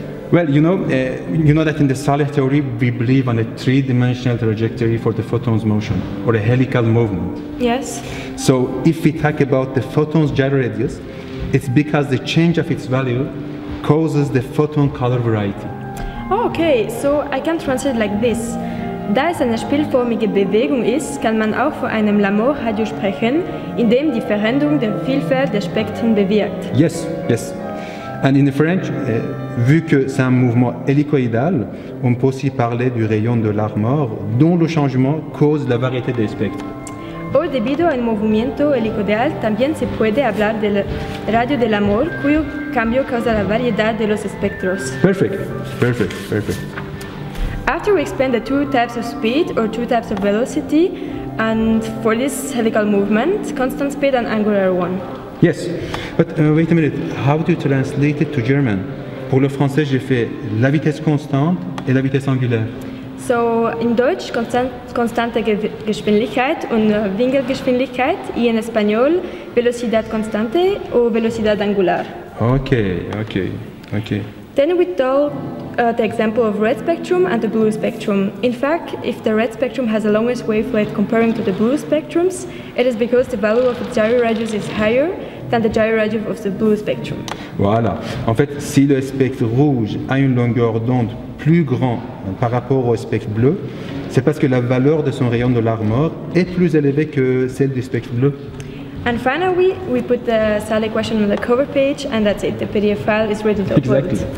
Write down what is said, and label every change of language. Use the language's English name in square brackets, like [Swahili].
[English] Well, you know that in the Saleh theory, we believe on a three-dimensional trajectory for the photon's motion, or a helical movement. Yes. So if we talk about the photon's gyro radius, it's because the change of its value causes the photon color variety. Okay, so I can translate like this. [German] Da es eine spielförmige Bewegung ist, kann man auch von einem Lamour-Radius sprechen, in dem die Veränderung der Vielfalt der Spektren bewirkt. [English] Yes, yes. And in French, [French] vu que c'est un mouvement hélicoïdal, on peut aussi parler du rayon de Larmor, dont le changement cause la variété des spectres. [Spanish] O debido al movimiento hélicoïdal, también se puede hablar del radio de Larmor, cuyo cambio causa la variedad de los espectros. [English] Perfect, perfect, perfect. After we explain the two types of speed or two types of velocity, and for this helical movement, constant speed and angular one. Yes, but wait a minute, how do you translate it to German? [French] Pour le français, j'ai fait la vitesse constante et la vitesse angulaire. [English] So, in [German] Deutsch, constante Geschwindigkeit und Winkelgeschwindigkeit, [French] et en espagnol, [Spanish] velocidad constante [French] ou [Spanish] velocidad angular. [English] Okay. Then we told the example of red spectrum and the blue spectrum. In fact, if the red spectrum has the longest wavelength comparing to the blue spectrums, it is because the value of the gyro radius is higher than the gyro radius of the blue spectrum. [French] Voilà. En fait, si le spectre rouge a une longueur d'onde plus grande par rapport au spectre bleu, c'est parce que la valeur de son rayon de Larmor est plus élevée que celle du spectre bleu. [English] And finally, we put the Saleh question on the cover page, and that's it. The PDF file is ready to upload.